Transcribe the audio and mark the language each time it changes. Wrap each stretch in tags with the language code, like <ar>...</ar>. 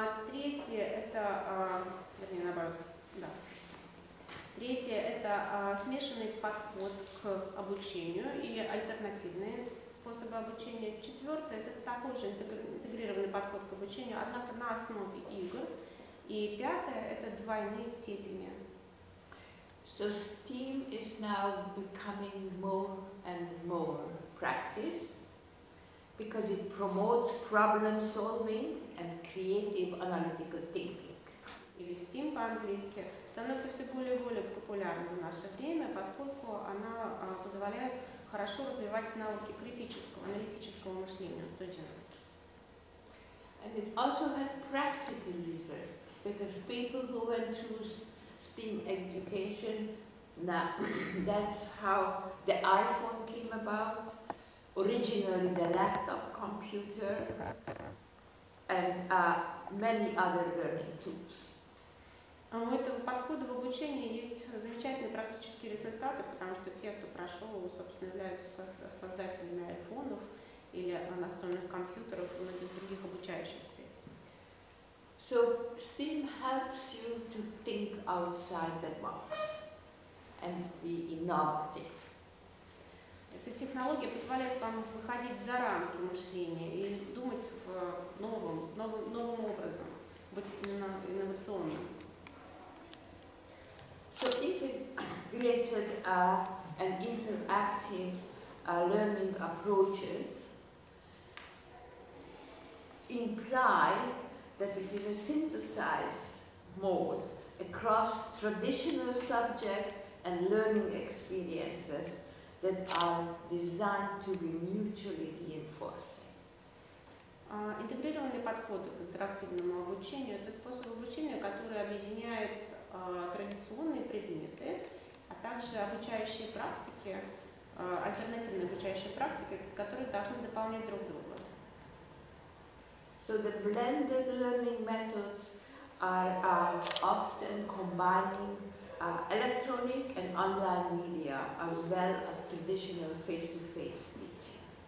<ru>Третье – это, вернее, наоборот, да. Третье – это смешанный подход к обучению или альтернативные способы обучения. Четвертое – это такой же интегрированный подход к обучению, однако на основе игр. И пятое – это двойные степени.</ru> <en>So STEAM is now becoming more and more practiced because it promotes problem solving and creative analytical thinking.</en> <ru>Или STEAM по-английски становится все более и более популярным в наше время, поскольку она позволяет хорошо развивать навыки критического, аналитического мышления студентов.</ru> <en>And it also had practical results, because people who went through STEAM education, now that's how the iPhone came about, originally the laptop computer, and many other learning tools.</en> <ru>У этого подхода в обучении есть замечательные практические результаты, потому что те, кто прошел, собственно, являются создателями айфонов или настольных компьютеров и многих других обучающих средств.</ru> <en>So STEAM helps you to think outside the box and be innovative.</en> <ru>Эта технология позволяет вам выходить за рамки мышления и думать в новым образом, быть инновационным.</ru> <en>So integrated and interactive learning approaches imply that it is a synthesized mode across traditional subject and learning experiences that are designed to be mutually reinforcing.</en> <ru>Интегрированный подход к интерактивному обучению — это способ обучения, который объединяет традиционные предметы, а также обучающие практики, альтернативные обучающие практики, которые должны дополнять друг друга.</ru> <en>So the blended learning methods are often combining electronic and online media as well as traditional face-to-face teaching.</en>